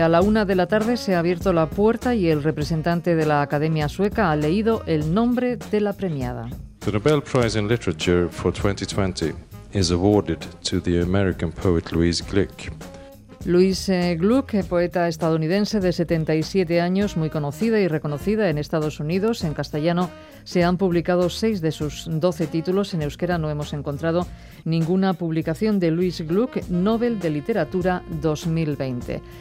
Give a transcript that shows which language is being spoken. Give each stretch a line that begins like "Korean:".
Spanish: A la una de la tarde se ha abierto la puerta y el representante de la Academia Sueca ha leído el nombre de la premiada.
English: The Nobel Prize in Literature for 2020 is awarded to the American poet Louise Glück.
Spanish: Louise Glück, poeta estadounidense de 77 años, muy conocida y reconocida en Estados Unidos. En castellano se han publicado 6 de sus 12 títulos. En euskera no hemos encontrado ninguna publicación de Louise Glück, Nobel de Literatura 2020.